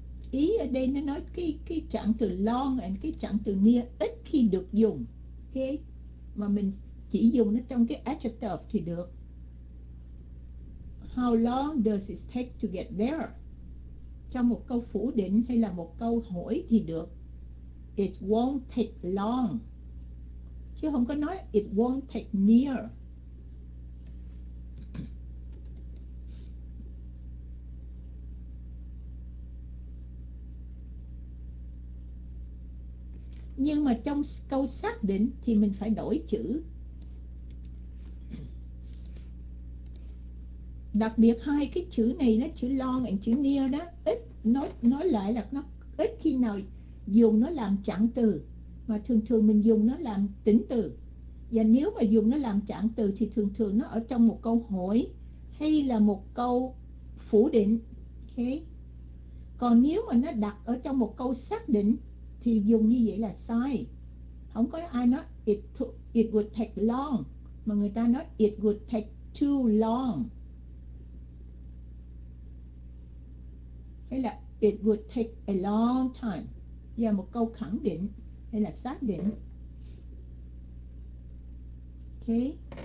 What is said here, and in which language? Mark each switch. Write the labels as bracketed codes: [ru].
[vi] Ý ở đây nó nói cái trạng từ long and cái trạng từ near ít khi được dùng. Okay. Mà mình chỉ dùng nó trong cái adjective thì được. [en] How long does it take to get there? [vi] Trong một câu phủ định hay là một câu hỏi thì được. [en] It won't take long. [vi] Chứ không có nói [en] it won't take near. [vi] Nhưng mà trong câu xác định thì mình phải đổi chữ. Đặc biệt hai cái chữ này đó, chữ long and chữ near đó, ít nói lại là nó ít khi nào dùng nó làm trạng từ, mà thường thường mình dùng nó làm tính từ. Và nếu mà dùng nó làm trạng từ thì thường thường nó ở trong một câu hỏi hay là một câu phủ định. Okay. Còn nếu mà nó đặt ở trong một câu xác định thì dùng như vậy là sai. Không có ai nói [en] it would take long, [vi] mà người ta nói [en] it would take too long. [vi] Hay là [en] it would take a long time. [vi] Và một câu khẳng định hay là xác định. Okay.